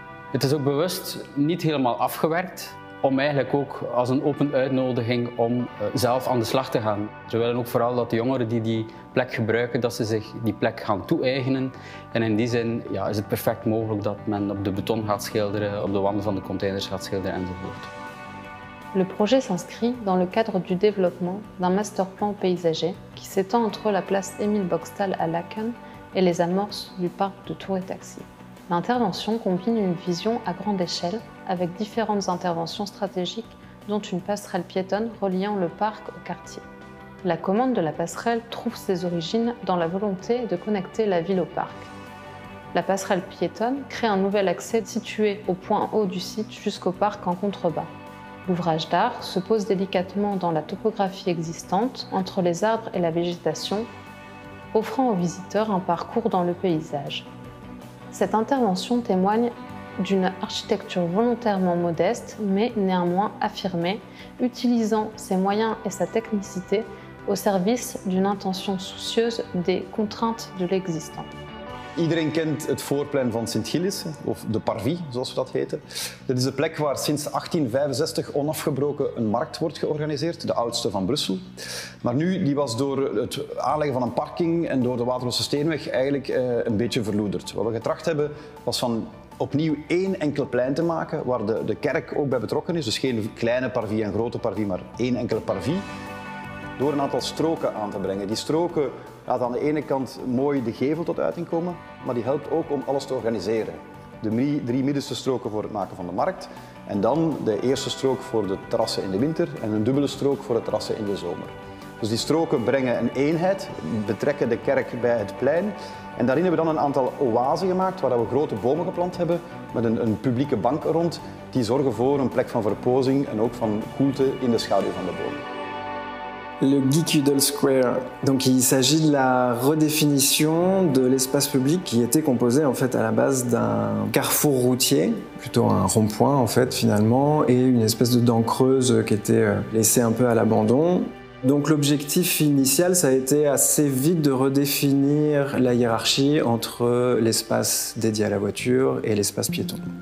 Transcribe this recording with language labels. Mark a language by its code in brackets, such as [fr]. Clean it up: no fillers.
[nl] Het is ook bewust niet helemaal afgewerkt, om eigenlijk ook als een open uitnodiging om zelf aan de slag te gaan. We willen ook vooral dat de jongeren die die plek gebruiken, dat ze zich die plek gaan toe-eigenen. En in die zin, ja, is het perfect mogelijk dat men op de beton gaat schilderen, op de wanden van de containers gaat schilderen enzovoort. [fr] Le projet s'inscrit dans le cadre du développement d'un masterplan paysager qui s'étend entre la place Émile Boxtal à Laeken et les amorces du parc de Tour et Taxi. L'intervention combine une vision à grande échelle avec différentes interventions stratégiques, dont une passerelle piétonne reliant le parc au quartier. La commande de la passerelle trouve ses origines dans la volonté de connecter la ville au parc. La passerelle piétonne crée un nouvel accès situé au point haut du site jusqu'au parc en contrebas. L'ouvrage d'art se pose délicatement dans la topographie existante entre les arbres et la végétation, offrant aux visiteurs un parcours dans le paysage. Cette intervention témoigne d'une architecture volontairement modeste, mais néanmoins affirmée, utilisant ses moyens et sa technicité au service d'une intention soucieuse des contraintes de l'existant. [nl] Iedereen kent het voorplein van Sint-Gilles, of de Parvis, zoals we dat heten. Dit is de plek waar sinds 1865 onafgebroken een markt wordt georganiseerd, de oudste van Brussel. Maar nu, die was door het aanleggen van een parking en door de Waterlose Steenweg eigenlijk een beetje verloederd. Wat we getracht hebben, was van opnieuw één enkel plein te maken, waar de kerk ook bij betrokken is. Dus geen kleine Parvis en grote Parvis, maar één enkele Parvis. Door een aantal stroken aan te brengen. Die stroken laat aan de ene kant mooi de gevel tot uiting komen, maar die helpt ook om alles te organiseren. De drie middenste stroken voor het maken van de markt en dan de eerste strook voor de terrassen in de winter en een dubbele strook voor de terrassen in de zomer. Dus die stroken brengen een eenheid, betrekken de kerk bij het plein en daarin hebben we dan een aantal oasen gemaakt waar we grote bomen geplant hebben met een publieke bank rond die zorgen voor een plek van verpozing en ook van koelte in de schaduw van de bomen. [fr] Le Geek Udall Square. Donc, il s'agit de la redéfinition de l'espace public qui était composé en fait à la base d'un carrefour routier, plutôt un rond-point en fait finalement, et une espèce de dent creuse qui était laissée un peu à l'abandon. Donc, l'objectif initial, ça a été assez vite de redéfinir la hiérarchie entre l'espace dédié à la voiture et l'espace piéton.